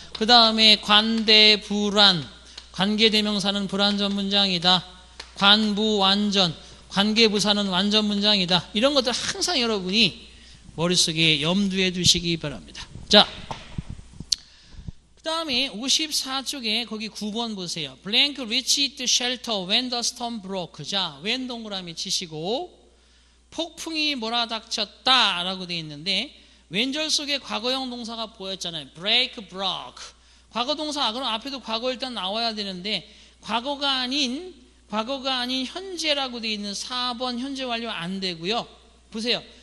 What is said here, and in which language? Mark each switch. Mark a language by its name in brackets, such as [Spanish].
[Korean] 그 다음에 관대, 불안. 관계대명사는 불완전 문장이다. 관부, 완전. 관계부사는 완전 문장이다. 이런 것들 항상 여러분이 머릿속에 염두에 두시기 바랍니다. 자, 그 다음에 54쪽에 거기 9번 보세요. [English] Blank reached the shelter when the storm broke. [Korean] 자, when 동그라미 치시고 폭풍이 몰아닥쳤다 라고 되어 있는데 when절 속에 과거형 동사가 보였잖아요. Break, broke. 과거 동사 그럼 앞에도 과거 일단 나와야 되는데 과거가 아닌 과거가 아닌 현재라고 되어 있는 4번 현재 완료 안 되고요. 보세요.